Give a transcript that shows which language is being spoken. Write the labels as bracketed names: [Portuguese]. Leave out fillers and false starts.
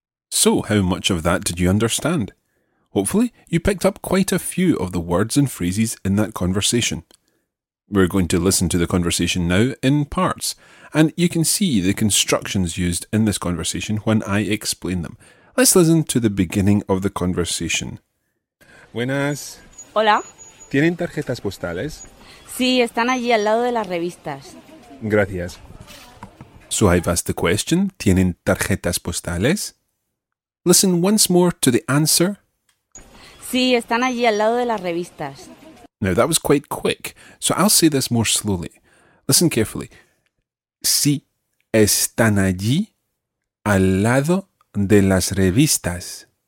[English] So, how much of that did you understand? Hopefully, you picked up quite a few of the words and phrases in that conversation. We're going to listen to the conversation now in parts, and you can see the constructions used in this conversation when I explain them. Let's listen to the beginning of the conversation. [Spanish] Buenas. Hola. ¿Tienen tarjetas postales? Sí, están allí al lado de las revistas. Gracias. [English] So I've asked the question, [Spanish] ¿tienen tarjetas postales? [English] Listen once more to the answer. [Spanish] Sí, están allí al lado de las revistas. [English] Now that was quite quick, so I'll say this more slowly. Listen carefully. [Spanish] Sí, están allí al lado de las revistas.